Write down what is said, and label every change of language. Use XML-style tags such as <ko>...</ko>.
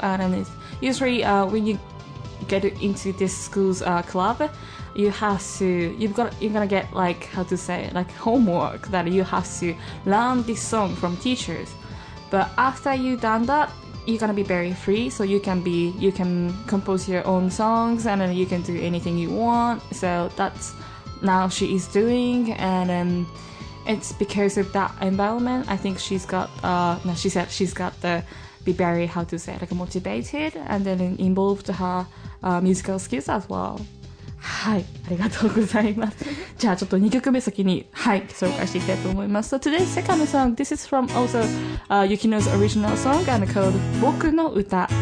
<en>And then it's usually when you get into this school's club, you're gonna get like, how to say, like homework that you have to learn this song from teachers, but after you've done that, you're gonna be very free, so you can compose your own songs, and then you can do anything you want. So that'sNow she is doing, and it's because of that environment. I think she's got, she said she's got the be very, how to say, like motivated, and then involved her musical skills as well.</en> <ja>はい、ありがとうございます。じゃあちょっと2曲目先に、はい、紹介していきたいと思います。</ja> <en>So today's second song, this is from also Yukino's original song and called 僕の歌.</en>